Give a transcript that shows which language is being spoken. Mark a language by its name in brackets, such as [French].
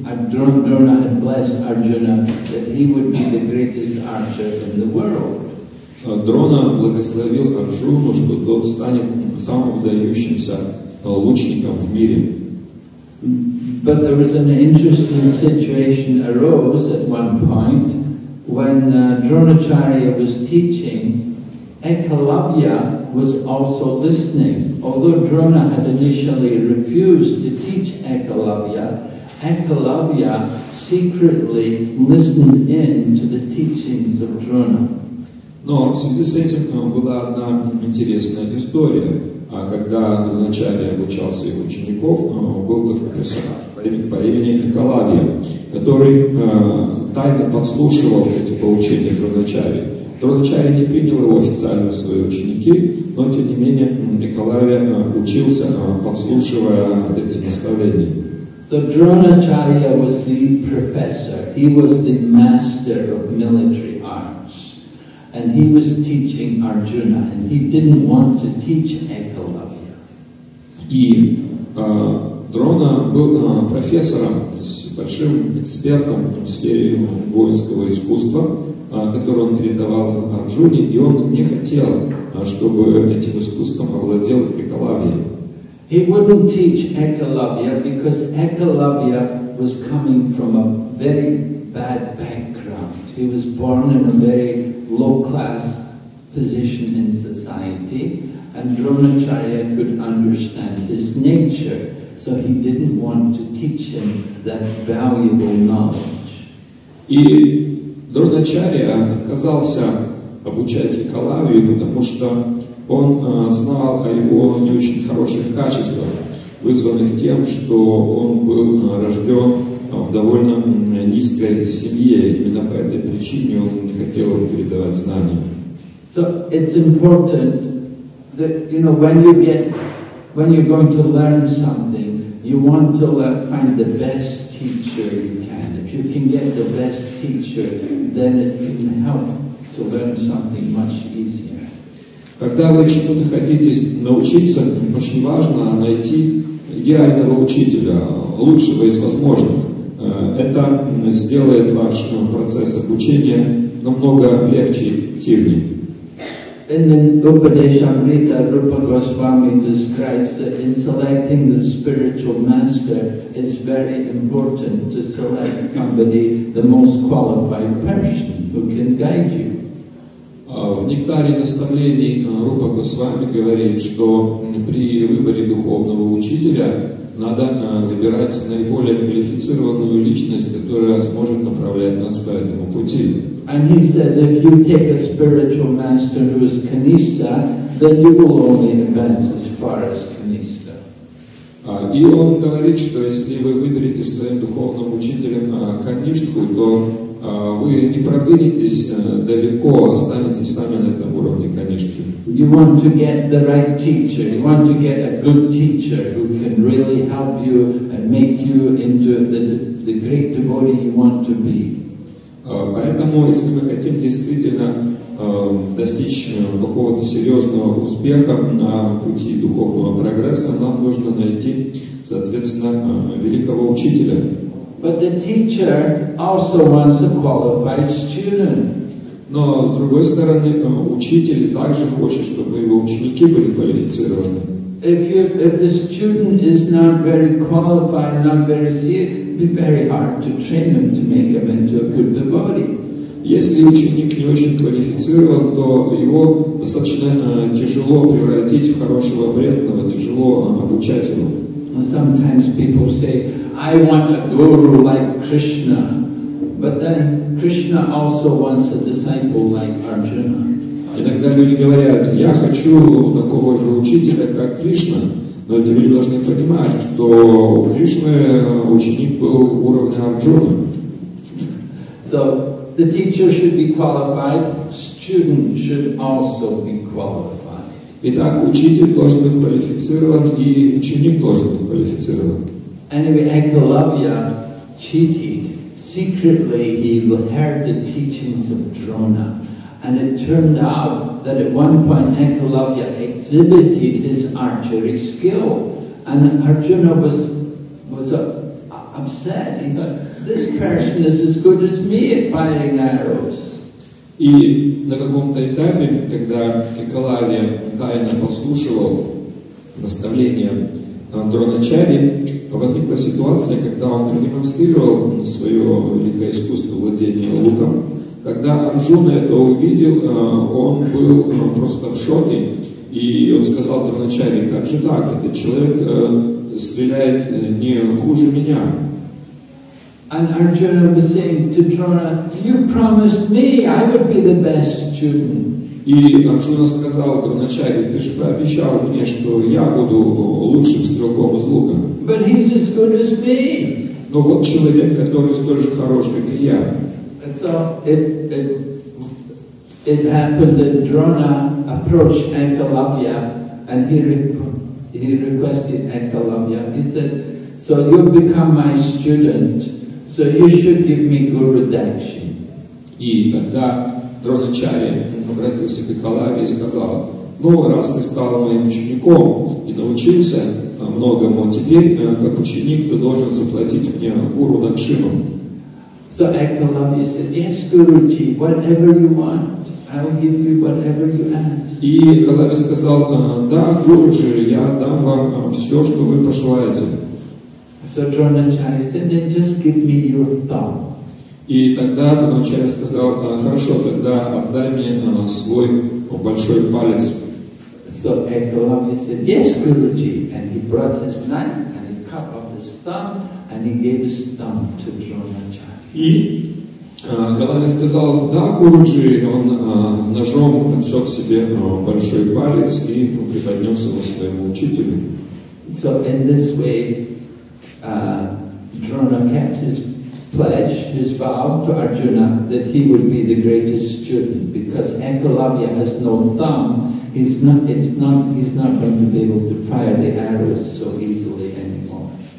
[English] Drona had blessed Arjuna that he would be the greatest archer in the world. [Russian] Drona благословил Арджуну, что тот станет самым выдающимся лучником в мире. [English] But there was an interesting situation arose at one point when Dronacharya was teaching. Ekalavya was also listening, although Drona had initially refused to teach Ekalavya. Ekalavya secretly listened in to the teachings of Drona. [Russian] Но в связи с этим была одна интересная история. Когда Дроначарья обучал своих учеников, был такой персонаж по имени Экалавья, который тайно подслушивал эти поучения Дроначарьи. Дроначарья не принял его официально в свои ученики, но тем не менее Экалавья учился, подслушивая эти наставления. [English] So Dronacharya was the professor, he was the master of military arts, and he was teaching Arjuna, and he didn't want to teach Ekalavya. [Russian] И Дрона был профессором, большим экспертом в сфере воинского искусства, который он передавал Арджуне, и он не хотел, чтобы этим искусством овладел Ekalavya. [English] He wouldn't teach Ekalavya because Ekalavya was coming from a very bad background. He was born in a very low-class position in society, and Dronacharya could understand his nature, so he didn't want to teach him that valuable knowledge. [Russian] И Дронача отказался обучать Калавию, потому что он знал о его не очень хороших качествах, вызванных тем, что он был рожден в довольно низкой семье. Именно по этой причине он не хотел передавать знания. [English] So it's important that, you know, when you're going to learn something, you want to learn, find the best teacher you can. If you can get the best teacher, then it can help to learn something much easier. [Russian] Когда вы чему-то хотите научиться, очень важно найти идеального учителя, лучшего из возможных. Это сделает ваш процесс обучения намного легче и эффективнее. [English] In the Upadeshamrita, Rupa Goswami describes that in selecting the spiritual master, it's very important to select somebody, the most qualified person, who can guide you. [Russian] В нектаре наставлений Рупа Госвами говорит, что при выборе духовного учителя надо выбирать наиболее квалифицированную личность, которая сможет направлять нас по этому пути. [English] And he says, if you take a spiritual master who is Kanista, then you will only advance as far as Kanista. [Russian] И он говорит, что если вы выберете своим духовным учителем Каништху, то вы не продвинетесь далеко, останетесь сами на этом уровне Каништхи. [English] You want to get the right teacher. You want to get a good teacher who can really help you and make you into the great devotee you want to be. [Russian] Поэтому, если мы хотим действительно достичь какого-то серьезного успеха на пути духовного прогресса, нам нужно найти, соответственно, великого учителя. [English] But the teacher also wants a qualified student. [Russian] Но, с другой стороны, учитель также хочет, чтобы его ученики были квалифицированы. [English] If the student is not very qualified, not very serious, it would be very hard to train him to make him into a good devotee. [Russian] Если ученик не очень квалифицирован, то его достаточно тяжело превратить в хорошего преданного, тяжело обучать его. [English] And sometimes people say, I want a guru like Krishna. But then Krishna also wants a disciple like Arjuna. [Russian] Иногда люди говорят, я хочу такого же учителя, как Кришна. Но эти люди должны понимать, что у Кришны ученик был уровня Арджуны. [English] So, the teacher should be qualified, student should also be qualified. [Russian] Итак, учитель должен быть квалифицирован, и ученик должен быть квалифицирован. [English] Anyway, Ekalavya cheated. Secretly, he heard the teachings of Drona. And it turned out that at one point Ekalavya exhibited his archery skill, and Arjuna was upset. He thought, this person is as good as me at firing arrows. [Russian] И на каком-то этапе, когда Экалавья тайно послушивал наставления Дроначари, возникла ситуация, когда он продемонстрировал свое великое искусство владения луком. Когда Арджуна это увидел, он был просто в шоке. И он сказал Дроначари, как же так, этот человек стреляет не хуже меня. [English] And Arjuna was saying to Drona, you promised me I would be the best student. [Russian] И Арджуна сказал Дроначари, ты же пообещал мне, что я буду лучшим стрелком из лука. [English] But he's as good as me. [Russian] Но вот человек, который столь же хорош, как и я. [English] And so it happened that Drona approached Ekalavya, and he requested Ekalavya. He said, "So you've become my student, so you should give me guru dakshin." [Russian] И тогда Дроначари обратился к Экалавье и сказал: "Ну, раз ты стал моим учеником и научился многому, теперь как ученик ты должен заплатить мне гуру дакшину." [English] So Ekalavya said, "Yes, Guruji, whatever you want, I will give you whatever you ask." [Russian] И Ekalavya сказал, "Да, Гуруджи, я дам вам все, что вы пожелаете." [English] So Дроначари said, "Then just give me your thumb." [Russian] И тогда Дроначари сказал, "Хорошо, тогда отдай мне свой большой палец." [English] So Ekalavya said, "Yes, Guruji," and he brought his knife and he cut off his thumb and he gave his thumb to Дроначари. [Russian] И Когда мне сказал «да, Куруджи», он ножом отсек себе большой палец и преподнес его своему учителю. [English] So in this way, Drona kept his pledge, his vow to Arjuna that he would be the greatest student, because Ekalavya has no thumb. He's not going to be able to fire the arrows so easily anymore.